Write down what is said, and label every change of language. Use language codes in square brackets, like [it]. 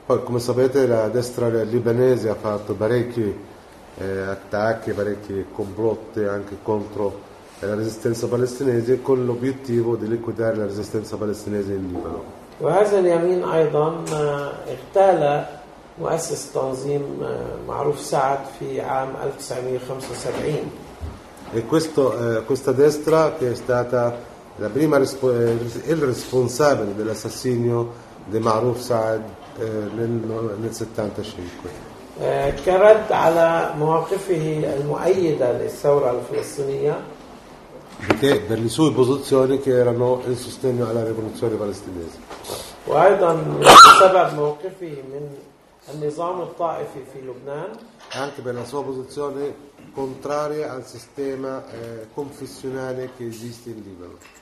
[it] Poi, come sapete, la destra libanese ha fatto parecchi attacchi, parecchi complotti anche contro la resistenza palestinese con l'obiettivo di liquidare la resistenza palestinese in Libano. [ar] وهذا اليمين أيضا اغتال مؤسس تنظيم معروف سعد في عام 1975. [it] E questa destra che è stata la prima il responsabile dell'assassinio di Maruf Saad nel 75. [ar] كرد على مواقفه المؤيدة للثورة الفلسطينية. [it] Perché per le sue posizioni che erano in sostegno alla rivoluzione palestinese. [ar] وأيضا بسبب موقفه من النظام الطائفي في لبنان. [it] Anche per la sua posizione contraria al sistema confessionale che esiste in Libano.